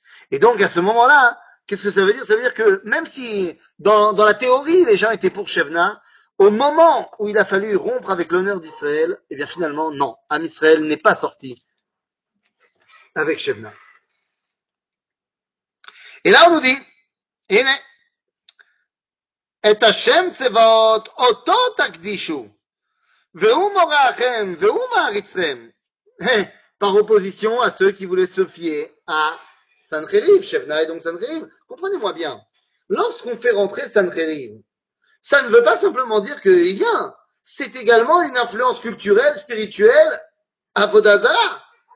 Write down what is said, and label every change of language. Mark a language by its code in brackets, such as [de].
[fr] Et donc, à ce moment-là, qu'est-ce que ça veut dire? Ça veut dire que même si, dans la théorie, les gens étaient pour Shevna, au moment où il a fallu rompre avec l'honneur d'Israël, eh bien, finalement, non. Am Israël n'est pas sorti avec Shevna. Et là, on nous dit, [he] Ene, את השם צבאות אותו תקדישו והוא מוראכם והוא מעריצכם. [fr] Par opposition à ceux qui voulaient se fier à Sanhérib, Shevna et donc Sanhérib. Comprenez-moi bien. Lorsqu'on fait rentrer Sanhérib, ça ne veut pas simplement dire qu'il vient. C'est également une influence culturelle, spirituelle à Vodazara.